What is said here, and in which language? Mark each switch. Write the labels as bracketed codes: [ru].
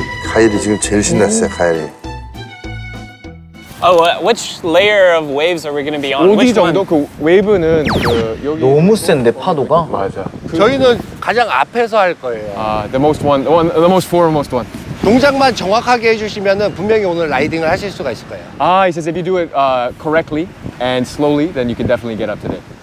[ko] 카일이 지금 제일 신났어요, 카일이. [en] Oh, which layer of waves are we going to be on? [ko] 어디 정도? 그 웨이브는 그 여기 너무 센데 파도가? 맞아. 저희는 가장 앞에서 할 거예요. [en] 아, the most one, the most foremost one. [ko] 동작만 정확하게 해주시면은 분명히 오늘 라이딩을 하실 수가 있을 거예요. [en] Ah, he says if you do it correctly and slowly, then you can definitely get up today.